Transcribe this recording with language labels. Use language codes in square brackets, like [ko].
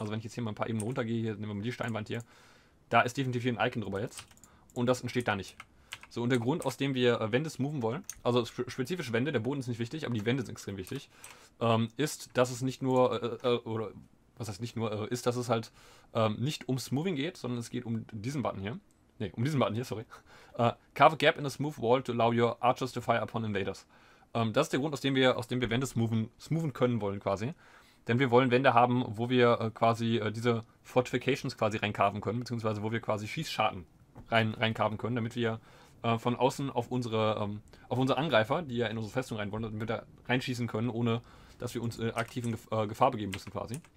[de] Also wenn ich jetzt hier mal ein paar Ebenen runtergehe, hier nehmen wir mal die Steinwand hier, da ist definitiv hier ein Icon drüber jetzt. Und das entsteht da nicht. So, und der Grund, aus dem wir Wände smoothen wollen, also spezifisch Wände, der Boden ist nicht wichtig, aber die Wände sind extrem wichtig, ist, dass es nicht nur, oder was heißt nicht nur, ist, dass es halt nicht um Smoothing geht, sondern es geht um diesen Button hier. Ne, um diesen Button hier, sorry. [en] Carve a gap in a smooth wall to allow your archers to fire upon invaders. [de] Das ist der Grund, aus dem wir Wände smoothen können wollen quasi. Denn wir wollen Wände haben, wo wir quasi diese Fortifications quasi reinkarven können, beziehungsweise wo wir quasi Schießscharten reinkarven können, damit wir von außen auf unsere Angreifer, die ja in unsere Festung rein wollen, damit wir da reinschießen können, ohne dass wir uns aktiv in Gefahr begeben müssen quasi.